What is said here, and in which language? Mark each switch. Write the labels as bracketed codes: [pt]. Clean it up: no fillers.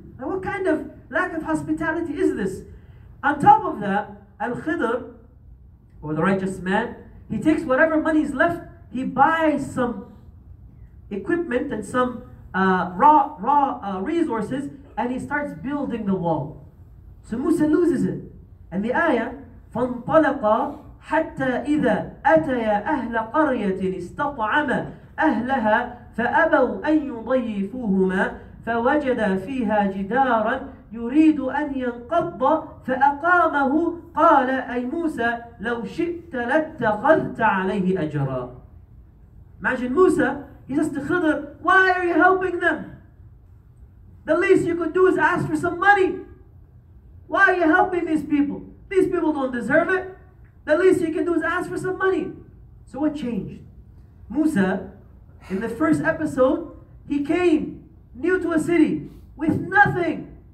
[en] Now what kind of lack of hospitality is this? On top of that, Al-Khidr, or the righteous man, he takes whatever money is left, he buys some equipment and some raw resources, and he starts building the wall. So Musa loses it. And the ayah, [ar] فَانْطَلَقَ حَتَّى إِذَا أَتَيَا أَهْلَ قَرْيَةٍ اسْتَطْعَمَ أَهْلَهَا فَأَبَوْا أَنْ يُضَيِّفُوهُمَا فَوَجَدَ فِيهَا جِدَارًا يريد أن ينقض فأقامه قال أي موسى لو شئت لاتخذت عليه أجرا. [en] Imagine Musa, he says to Khidr, why are you helping them? The least you could do is ask for some money. Why are you helping these people? These people don't deserve it. The least you can do is ask for some money. So what changed? Musa, in the first episode, he came new to a city with nothing.